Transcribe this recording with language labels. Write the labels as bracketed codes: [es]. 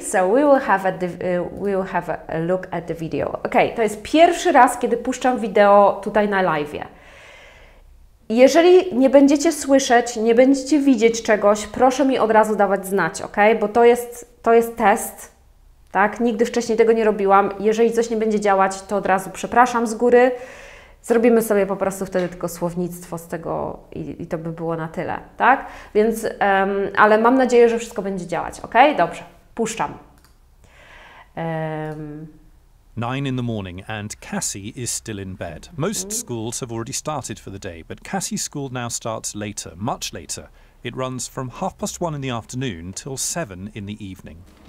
[en] So we will have a look at the video. [pl] Okay, to jest pierwszy raz, kiedy puszczam wideo tutaj na live'ie. Jeżeli nie będziecie słyszeć, nie będziecie widzieć czegoś, proszę mi od razu dawać znać, okay? Bo to jest test. Tak? Nigdy wcześniej tego nie robiłam. Jeżeli coś nie będzie działać, to od razu przepraszam z góry. Zrobimy sobie po prostu wtedy tylko słownictwo z tego i to by było na tyle. Tak? Więc, ale mam nadzieję, że wszystko będzie działać. Ok? Dobrze. Puszczam. [en] 9 in the morning and Cassie is still in bed. Most schools have already started for the day, but Cassie's school now starts later, much later. It runs from 1:30 in the afternoon till 7 in the evening.